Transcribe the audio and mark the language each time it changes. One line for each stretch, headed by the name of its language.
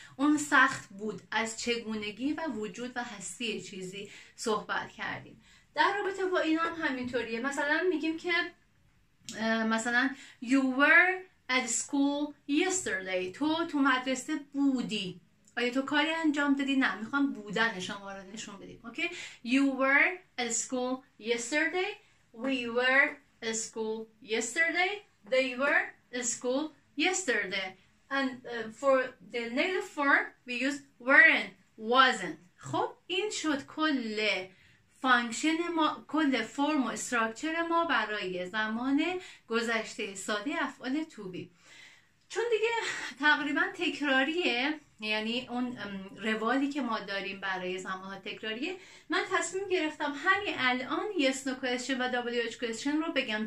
Persian: اون سخت بود. از چگونگی و وجود و هستی چیزی صحبت کردیم. در رابطه با اینا هم همینطوریه. مثلا میگیم که مثلا
English: you were at school yesterday،
Persian: تو مدرسه بودی. آیا تو کاری انجام دادی؟ نه، میخوام بودن شما رو نشون بدیم.
English: Okay? you were at school yesterday، we were at school yesterday، they were at school yesterday. And for the negative form we use weren't، wasn't.
Persian: خب این شد کل فانکشن ما، کل فرم و استراکچر ما برای زمان گذشته ساده افعال to be. چون دیگه تقریبا تکراریه، یعنی اون روالی که ما داریم برای زمان ها تکراریه، من تصمیم گرفتم همین الان yes no question و wh question رو بگم.